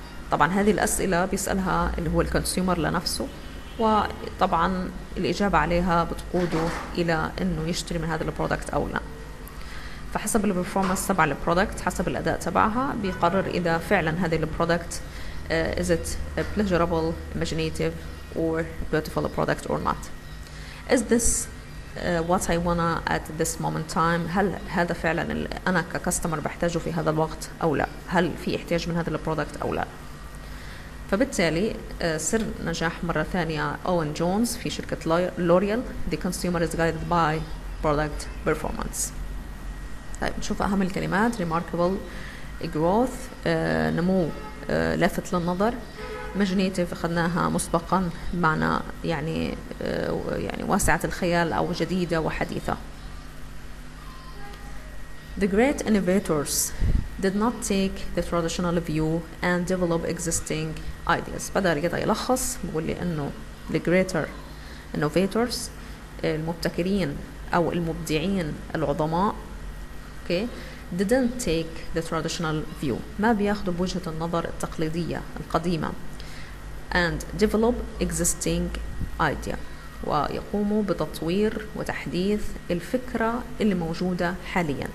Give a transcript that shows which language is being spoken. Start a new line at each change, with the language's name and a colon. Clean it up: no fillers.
Arabic: طبعا هذه الأسئلة بيسألها اللي هو الكونسيومر لنفسه، وطبعا الإجابة عليها بتقوده إلى أنه يشتري من هذا البرودكت أو لا. فحسب البرفورمانس تبع البرودكت، حسب الأداء تبعها، بيقرر إذا فعلا هذا البرودكت
English: is it pleasurable, imaginative or beautiful product or not. is this what I wanna at this moment time.
Arabic: هل هذا فعلا اللي أنا ككستمر بحتاجه في هذا الوقت أو لا، هل في احتياج من هذا البرودكت أو لا. فبالتالي سر نجاح مرة ثانية Owen Jones في شركة L'Oréal،
English: the consumer is guided by product performance.
Arabic: طيب نشوف أهم الكلمات:
English: remarkable growth
Arabic: نمو لافت للنظر، imaginative أخذناها مسبقا معنى يعني واسعة الخيال أو جديدة وحديثة.
English: The great innovators did not take the traditional view and develop existing ideas.
Arabic: بدأ كده يلخص، بقول لي إنه
English: the greater innovators
Arabic: المبتكرين أو المبدعين العظماء
English: okay didn't take the traditional view،
Arabic: ما بياخدوا بوجهة النظر التقليدية القديمة،
English: and develop existing idea
Arabic: ويقوموا بتطوير وتحديث الفكرة اللي موجودة حاليا.